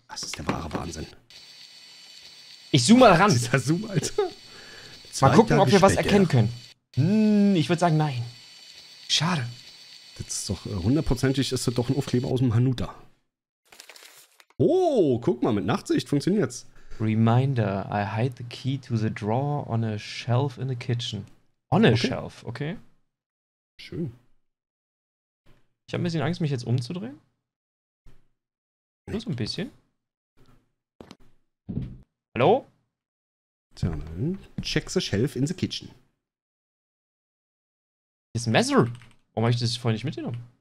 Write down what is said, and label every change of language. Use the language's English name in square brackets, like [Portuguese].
[German] Das ist der wahre Wahnsinn. Ich zoome mal ran. Dieser Zoom, Alter. Mal gucken, ob wir was erkennen können. Ich würde sagen, nein. Schade. Das ist doch hundertprozentig, ist das doch ein Aufkleber aus dem Hanuta. Oh, guck mal, mit Nachtsicht funktioniert's. [English] Reminder, I hide the key to the drawer on a shelf in the kitchen. On a shelf, okay. [German] Schön. Ich habe ein bisschen Angst, mich jetzt umzudrehen. Nur so ein bisschen. Hallo? [English] Tja, check the shelf in the kitchen. [German] Das ist ein Messer. Warum habe ich das vorhin nicht mitgenommen?